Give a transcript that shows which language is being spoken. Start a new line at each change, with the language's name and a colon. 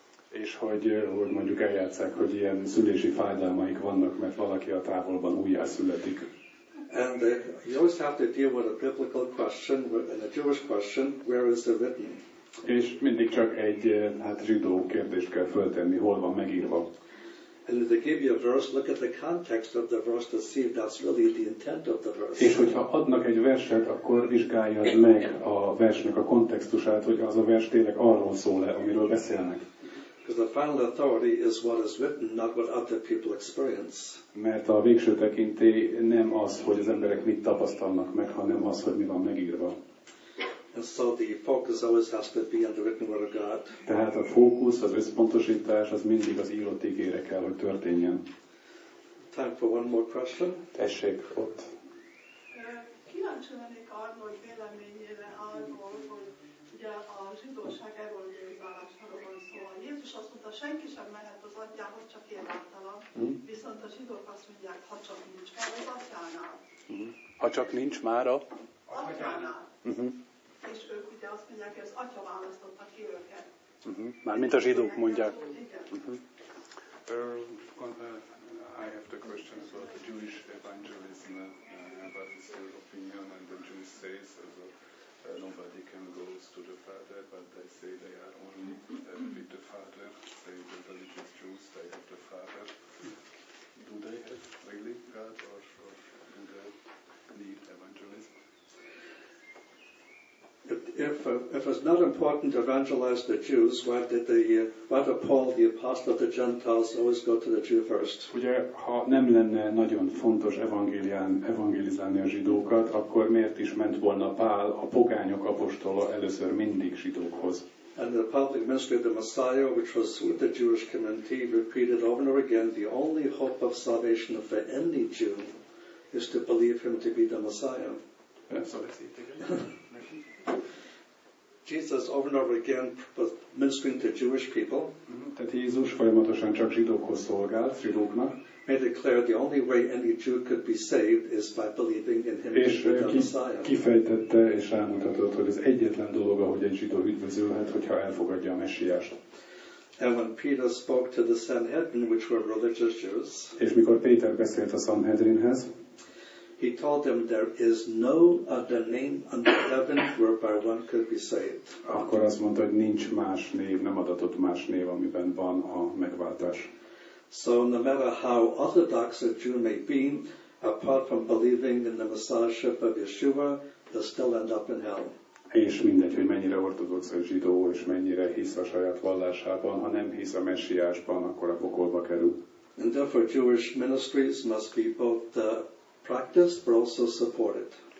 Hungarian: És hogy mondjuk eljátszák, hogy ilyen szülési fájdalmaik vannak, mert valaki a távolban újjászületik.
English: And you always have to deal with a biblical question and a Jewish question, where is the written?
Hungarian: És mindig csak egy zsidó kérdést kell föltenni, hol van megírva.
English: And if they give you a verse, look at the context of the verse to see if that's really the intent of the verse.
Hungarian: És hogyha adnak egy verset, akkor vizsgáljad meg a versnek a kontextusát, hogy az a vers tényleg arról szól-e, amiről beszélnek.
English: Because the final authority is what is written, not what other people experience.
Hungarian: Mert a végső tekintély nem az, hogy az emberek mit tapasztalnak meg, hanem az, hogy mi van megírva.
English: And so the focus always has to be on the written word of God.
Hungarian: Tehát a fókusz, az összpontosítás, az mindig az írott ígére kell, hogy történjen.
English: Time for one more question.
Hungarian: Tessék, ott. Kíváncsi lennék arról, hogy véleményére arról, hogy ugye a zsidóság evangéliumi vallásáról van szó. Jézus azt mondta, senki sem mehet az atyához, csak én általam. Mm. Viszont a zsidók azt mondják, ha csak nincs már az atyánál. Mm. Ha csak nincs már a... atyánál. Mm-hmm. És ők ugye azt mondják, hogy az atya választotta ki őket. Uh-huh. Mármint a zsidók mondják.
English: I have the question about the Jewish evangelism, about this opinion, and the Jews say nobody can go to the Father, but they say they are only with the Father. They say the religious Jews, they have the Father. Do they have really God, or do they need evangelism? If it's not important to evangelize the Jews, why did Paul the apostle of the Gentiles always go to the Jew first?
Hungarian: Ugye, ha nem lenne nagyon fontos evangelizálni a zsidókat, akkor miért is ment volna Pál a pogányok apostola először mindig zsidókhoz?
English: And the public ministry of the Messiah, which was with the Jewish community, repeated over and over again, the only hope of salvation for any Jew is to believe him to be the Messiah. Jesus over and over again was ministering to Jewish people.
Hungarian: Tehát Jézus folyamatosan csak zsidókhoz szolgált, zsidóknak.
English: Made it clear the only way any Jew could be saved is by believing in him as the Messiah.
Hungarian: Kifejtette és rámutatott, hogy az egyetlen dolog, ahogy egy zsidó üdvözülhet, hogyha elfogadja a Messiást.
English: And when Peter spoke to the Sanhedrin, which were religious Jews.
Hungarian: És mikor Péter beszélt a Sanhedrinhez.
English: He told them there is no other name under heaven whereby one could be saved.
Hungarian: Akkor azt mondta, hogy nincs más név, nem adatott más név, amiben van a megváltás.
English: So no matter how orthodox a Jew may be, apart from believing in the Messiahship of Yeshua, they still end up in hell.
Hungarian: És mindegy, hogy mennyire ortodox a zsidó, és mennyire hisz a saját vallásában, ha nem hisz a Messiásban, akkor a pokolba kerül.
English: And therefore Jewish ministries must be both the practice, but also support it.